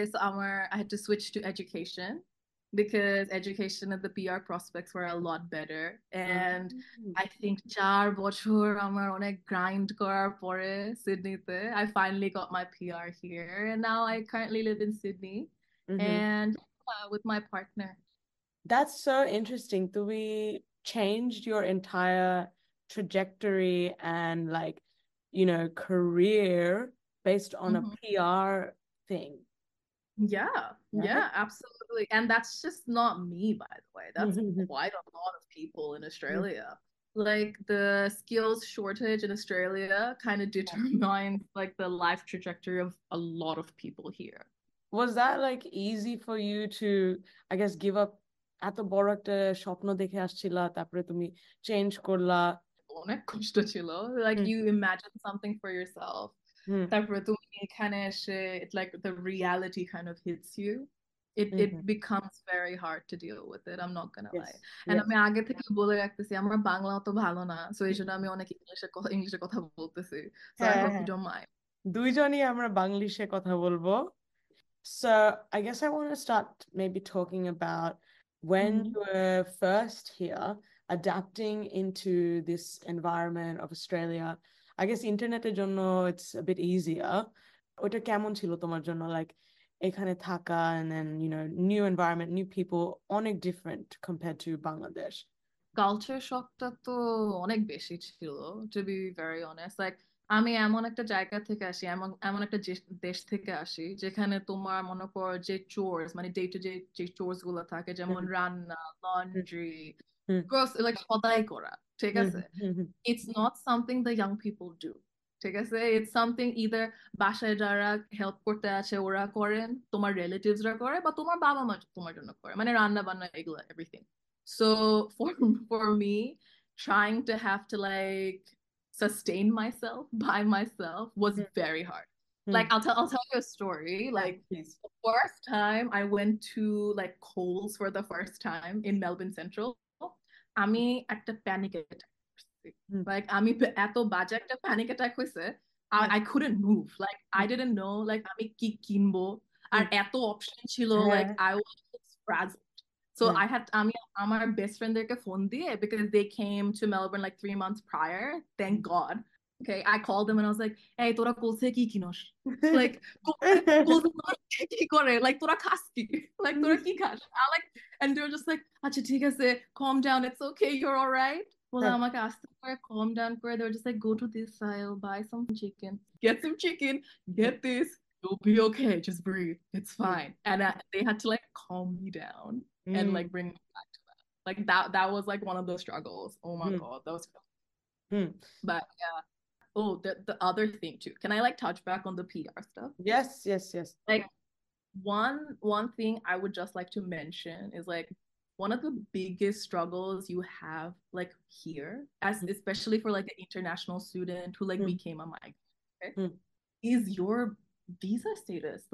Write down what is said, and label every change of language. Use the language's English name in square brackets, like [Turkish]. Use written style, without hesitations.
[English] so আমার I had to switch to education because education of the PR prospects were a lot better, and I think 4 [Bangla] বছর আমার অনেক grind করার পরে সিডনিতে [English] I finally got my PR here, and now I currently live in Sydney and with my partner. That's so interesting. We changed your entire trajectory and like, you know, career based on a PR thing. Yeah, absolutely. And that's just not me, by the way. That's quite a lot of people in Australia. Like the skills shortage in Australia kind of determines like the life trajectory of a lot of people here. Was that like easy for you to, I guess, give up? [Bangla] এত বড় একটা স্বপ্ন দেখে আসছিলা, তারপরে তুমি change করলা। অনেক কষ্ট ছিল, [English] like you imagine something for yourself, hmm [Bangla] তারপরে তুমি এখানে এসে [English] It like the reality kind of hits you, it it becomes very hard to deal with it, I am not gonna lie. [Bangla] And আমি আগে থেকে বলে রাখতেছি আমার বাংলা অত ভালো না, সো এই জন্য আমি অনেক ইংলিশে কথা বলতেছি, [English] so I [Bangla] হ্যাঁ [English] hope you [Bangla] হ্যাঁ, [English] Don't mind. [Bangla] দুইজনই আমরা বাংলিশে কথা বলবো। [English] so I guess I want to start maybe talking about When you were first here, adapting into this environment of Australia, I guess [Bangla] internet er jonno [English] it's a bit easier. [Bangla] Ota kemon chilo tomar jonno, [English] like [Bangla] ekhane thaka [English] and then, you know, new environment, new people, onek different compared to Bangladesh. [Bangla] Culture শকটা তো অনেক বেশি ছিল, [English] To be very honest. [Bangla] Like আমি এমন একটা জায়গা থেকে আসি, এমন এমন একটা দেশ থেকে আসি যেখানে তোমার মনে কর যে চোর্স মানে ডে টু ডে যে চোর্স গুলো থাকে, যেমন রান্না, লন্ড্রি, গ্রস, লাইক সদাই করা, ঠিক আছে, [English] it's not something the young people do, [Bangla] ঠিক আছে, [English] it's something either [Bangla] বাসায় যারা হেল্প করতে আছে ওরা করেন, তোমার রিলেটিভসরা করে, বা তোমার বাবা মা তোমার জন্য করে, মানে রান্না বান্না এগুলো everything. [English] So for me, trying to have to like sustain myself by myself was very hard. Like I'll tell you a story. Like Please. The first time I went to like Coles for the first time in Melbourne Central, [Bangla] আমি একটা [English] panic attack. Like [Bangla] আমি এত বাজে একটা [English] panic attack [Bangla] হয়েছে, [English] I couldn't move. Like I didn't know like [Bangla] আমি কি কিনবো, আর এত অপশন ছিল, [English] like I was frazzled. So I had [Bangla] আমি আমার বেস্ট ফ্রেন্ড দেরকে ফোন দিয়ে, [English] because they came to Melbourne like 3 months prior, thank god, okay, I call them and I was like, [Bangla] এই তোরা কোলসে কি কিনোস, [English] like [Bangla] কোলসে কোলসে কি করে, [English] like [Bangla] তোরা খাস কি, [English] like [Bangla] তোরা কি খাস, [English] I like and they were just like [Bangla] আচ্ছা ঠিক আছে, [English] calm down, it's okay, you are alright, [Bangla] বলে আমাকে আস্তে করে [English] Calm down করে, they were just like go to this aisle, buy some chicken, get some chicken, get this, you'll be okay, just breathe, it's fine, and they had to like calm me down and like bring me back to that. Like that was like one of those struggles. Oh my god, that was crazy. But yeah. Oh, the other thing too. Can I like touch back on the PR stuff? Yes. Like One thing I would just like to mention is like one of the biggest struggles you have like here, as especially for like an international student who like became a migrant, okay, is your visa status.